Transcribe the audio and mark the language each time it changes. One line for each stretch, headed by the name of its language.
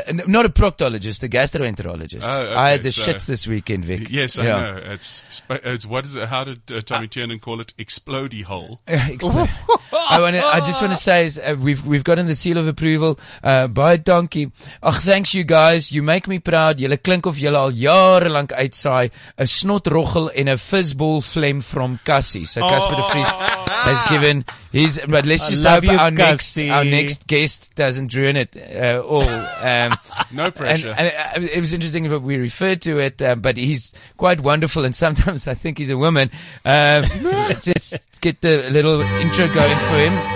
English: Not a proctologist, a gastroenterologist. Oh, okay, I had the shits this weekend, Vic. Yes, I know. It's what is it? How did Tommy Tiernan call it? Explodey hole. I just want to say is we've gotten the seal of approval by Donkey. Oh, thanks you guys. You make me proud.
Afrikaans: Julle klink of julle al jare lank uitsaai 'n snotroggel en 'n
English: fizzball phlegm from Cassie. So Casper de Vries has given his, but let's just hope our next guest doesn't ruin it all. No pressure. And it was interesting that we referred to it, but he's quite wonderful, and sometimes I think he's a woman. Let's just get the little intro going for him.